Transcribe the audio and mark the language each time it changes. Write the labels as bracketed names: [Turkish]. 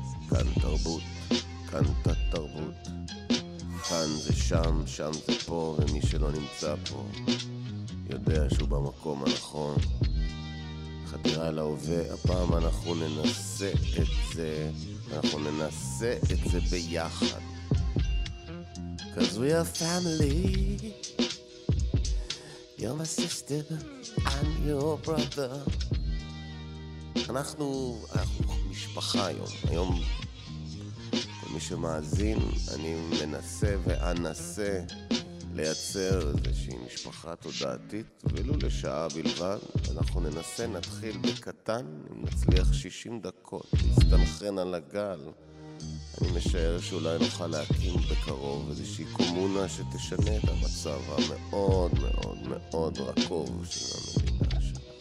[Hebrew] כאן תרבות, כאן תת תרבות, כאן זה שם, שם זה פה, ומי שלא נמצא פה יודע שהוא במקום הנכון. חדירה להווה, הפעם אנחנו ננסה את זה, אנחנו ננסה את זה ביחד. [English] Cause we are family, you're my sister, I'm your brother. [Hebrew] אנחנו משפחה היום. היום מי שמאזין, אני מנסה ואנסה לייצר איזושהי משפחה תודעתית ולו לשעה בלבד. אנחנו ננסה, נתחיל בקטן, אם נצליח 60 דקות להסתנכרן על הגל, אני משער שאולי נוכל להקים בקרוב איזושהי קומונה שתשנה את המצב המאוד מאוד מאוד רקוב של המדינה שלנו.